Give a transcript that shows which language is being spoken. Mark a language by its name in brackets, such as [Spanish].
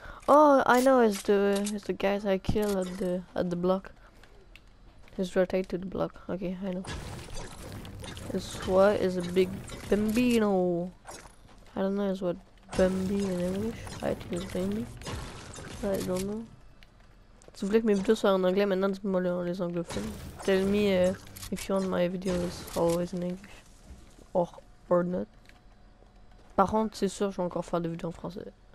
[English] Oh, I know, it's the guys I kill at the block. He's rotated to the block. Okay, I know. This what is a big bambino. I don't know, is what bambi in English? I think it's bambi. I don't know. [French] Si vous voulez que mes vidéos soient en anglais, maintenant dites-moi les anglophones. [English] Tell me, if you want my video is always in English or not. [French] Par contre, c'est sûr, je vais encore faire des vidéos en français.